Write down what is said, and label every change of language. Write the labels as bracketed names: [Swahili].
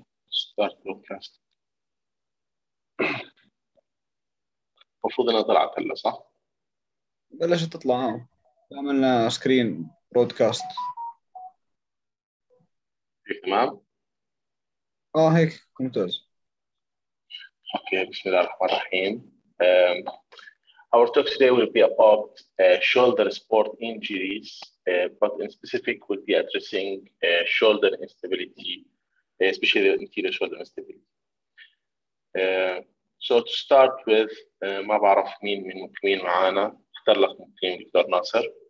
[Arabic] ستارت بودكاست، المفروض إنها طلعت هلا صح؟ بلشت تطلع. عملنا سكرين برودكاست. تمام. هيك ممتاز. اوكي، بسم الله الرحمن الرحيم. [English] Our talk today will be about shoulder sport injuries, but in specific we'll be addressing shoulder instability, especially the anterior shoulder instability. So to start with, [Arabic] ما بعرف مين من مين معانا، اختار لك ممكن دكتور ناصر.